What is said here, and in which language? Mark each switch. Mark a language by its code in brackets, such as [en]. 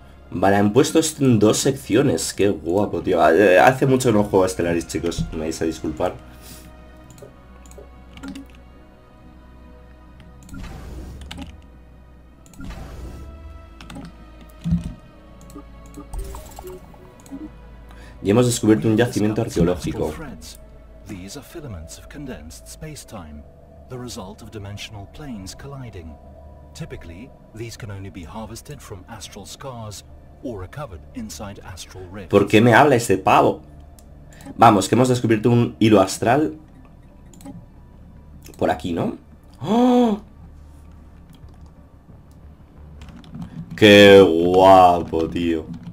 [es] Vale, han puesto esto en dos secciones. Qué guapo, tío. Hace mucho que no juego a Stellaris, chicos. Me vais a disculpar. Y hemos descubierto un yacimiento arqueológico. [en] These are filaments of condensed space-time, the result of dimensional planes colliding. Typically, these can only be harvested from astral scars or recovered inside astral rifts. [es] ¿Por qué me habla ese pavo? Vamos, que hemos descubierto un hilo astral por aquí, ¿no? ¡Oh! Qué guapo, tío.